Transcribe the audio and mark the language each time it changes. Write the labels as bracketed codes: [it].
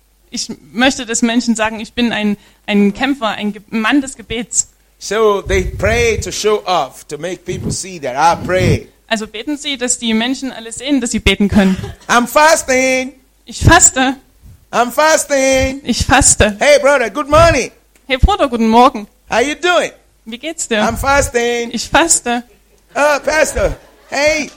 [de] Ich möchte, dass Menschen sagen, ich bin ein Kämpfer, ein Mann des Gebets. [en] So they pray to show off, to make people see that I pray. [de] Also beten sie, dass die Menschen alle sehen, dass sie beten können. [en] I'm fasting. [de] Ich faste. [en] I'm fasting. [de] Ich faste. [en] Hey brother, good morning. [de] Hey Bruder, guten Morgen. [en] How you doing? [de] Wie geht's dir? [en] I'm fasting. [de] Ich faste. [en] Oh Pastor. Hey.